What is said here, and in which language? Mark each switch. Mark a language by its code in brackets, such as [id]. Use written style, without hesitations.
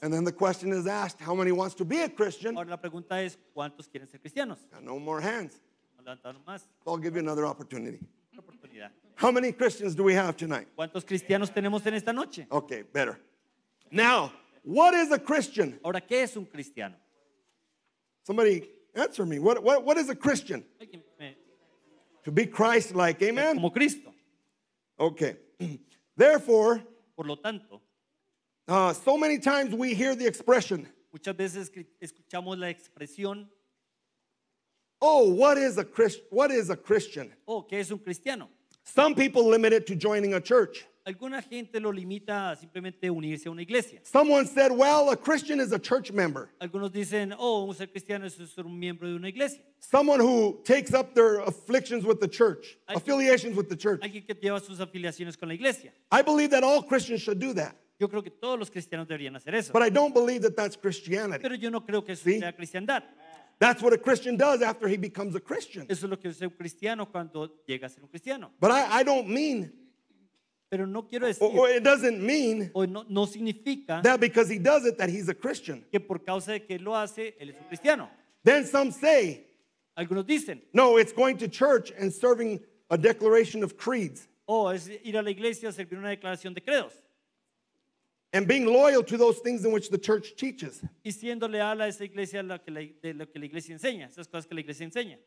[en] And then the question is asked, how many wants to be a Christian? [es] Ahora la pregunta es, ¿cuántos quieren ser cristianos? [en] Got no more hands. [es] No levantaron más. [en] I'll give you another opportunity. [es] Una oportunidad. [en] How many Christians do we have tonight? [es] ¿Cuántos cristianos tenemos en esta noche? [en] Okay, better. Now, what is a Christian? [es] Ahora, ¿qué es un cristiano? [en] Somebody answer me. What is a Christian? To be Christ-like, amen? [es] Como Cristo. [en] Okay. Therefore, [es] por lo tanto, [en] so many times we hear the expression. [es] Muchas veces escuchamos la expresión. [en] Oh, what is a Christian? [es] Oh, ¿qué es un cristiano? [en] Some people limit it to joining a church. [es] Alguna gente lo limita a simplemente unirse a una iglesia. [en] Someone said, well, a Christian is a church member. [es] Algunos dicen, oh, un ser cristiano es un miembro de una iglesia. [en] Someone who takes up their afflictions with the church, affiliations with the church. [es] Alguien que lleva sus afiliaciones con la iglesia. [en] I believe that all Christians should do that. [es] Yo creo que todos los cristianos deberían hacer eso. [en] But I don't believe that that's Christianity. [es] Pero yo no creo que eso sea cristiandad. [en] That's what a Christian does after he becomes a Christian. [es] Eso es lo que hace un cristiano cuando llega a ser un cristiano. [en] But I don't mean. [es] Pero no quiero decir, [en] or it doesn't mean [es] no significa [en] that because he does it that he's a Christian. [es] Que por causa de que lo hace, él es un cristiano. [en] Then some say, [es] algunos dicen, [en] no, it's going to church and serving a declaration of creeds. [es] Oh, es ir a la iglesia a servir una declaración de credos. [en] And being loyal to those things in which the church teaches. [es] Y siendo leal a esa iglesia lo que la iglesia enseña, esas cosas que la iglesia enseña.